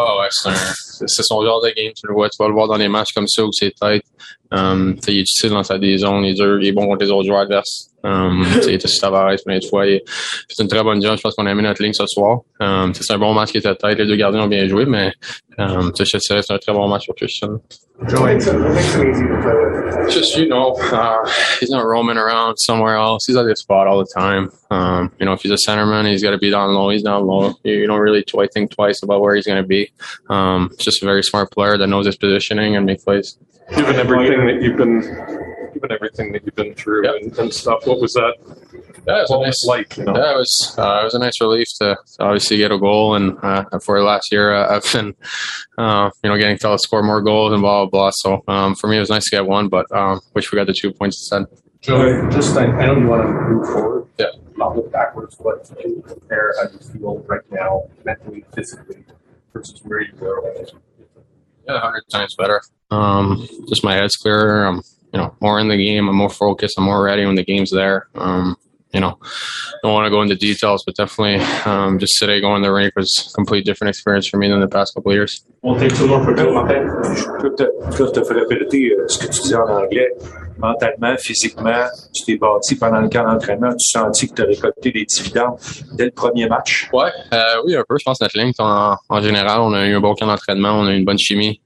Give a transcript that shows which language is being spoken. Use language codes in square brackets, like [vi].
[fr] C'est son genre de game, tu vas le voir dans les matchs comme ça où c'est tête. Il est difficile dans sa zone, il est bon contre les autres joueurs adverses. Il était sur Tavares plein de fois. C'est une très bonne job, je pense qu'on a mis notre ligne ce soir. C'est un bon match qui était tête, les deux gardiens ont bien joué, mais je te dirais c'est un très bon match pour Christian. [en] Just, you know, he's not roaming around somewhere else. He's at his spot all the time. You know, if he's a centerman, he's got to be down low. He's down low. You don't really think twice about where he's going to be. Just a very smart player that knows his positioning and make plays. Given everything that you've been through yep. and stuff, what was that? It was a nice relief to obviously get a goal. And for the last year, I've been, getting fellas score more goals and blah, blah, blah. So for me, it was nice to get one, but wish we got the 2 points instead. I know you want to move forward, yeah. not look backwards, but can you compare how you feel right now, mentally, physically, versus where you were? Yeah, 100 times better. Just my head's clearer. I'm, more in the game. I'm more focused. I'm more ready when the game's there. Don't want to go into details, but definitely just today going to the rink was a completely different experience for me than the past couple of years. [fr] On t'a tout le monde pour toi, Martin. Je peux te frapper ce que tu dis en anglais. Mentalement, physiquement, tu t'es bâti pendant le camp d'entraînement. Tu sentis que tu as récolté des dividendes dès le premier match? Ouais, oui, un peu. Je pense notre ligne. En général, on a eu un bon camp d'entraînement. On a eu une bonne chimie.